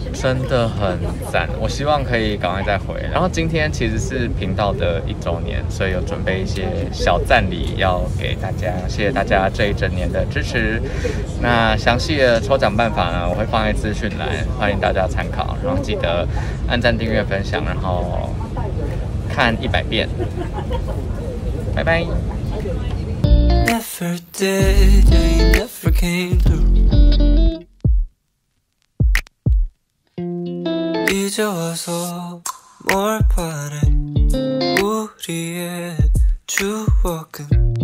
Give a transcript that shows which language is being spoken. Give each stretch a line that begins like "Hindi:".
Chinese: 真的很赞，我希望可以赶快再回。然后今天其实是频道的1周年，所以有准备一些小赞礼要给大家，谢谢大家这一整年的支持。那详细的抽奖办法呢，我会放在资讯栏，欢迎大家参考，然后记得按赞订阅分享，然后看100遍，拜拜。
English: Never did, I never came through.
Korean: 이제와서뭘바래우리의추억은